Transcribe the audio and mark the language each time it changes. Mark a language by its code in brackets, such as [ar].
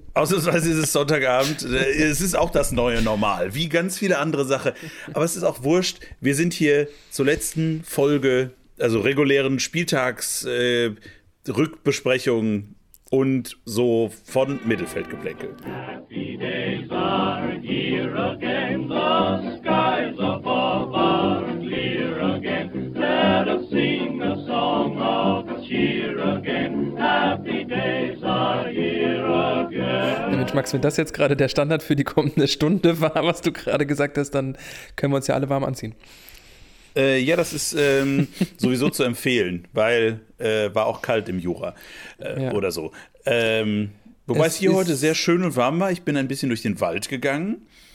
[de] Ausnahmsweise ist es Sonntagabend. Es ist auch das neue Normal, wie ganz viele andere Sachen. Aber es ist auch wurscht. Wir sind hier zur letzten Folge, also regulären Spieltags-Rückbesprechungen und so von Mittelfeldgeplänkel. [en] Happy days are here again. The skies above are clear again. Let us sing a song of cheer again. Happy days are here again. [de] Mensch, Max, wenn das jetzt gerade der Standard für die kommende Stunde war, was du gerade gesagt hast, dann können wir uns ja alle warm anziehen. Ja, das ist sowieso zu empfehlen, weil war auch kalt im Jura oder so. Wobei es hier heute sehr schön und warm war. Ich bin ein bisschen durch den Wald gegangen.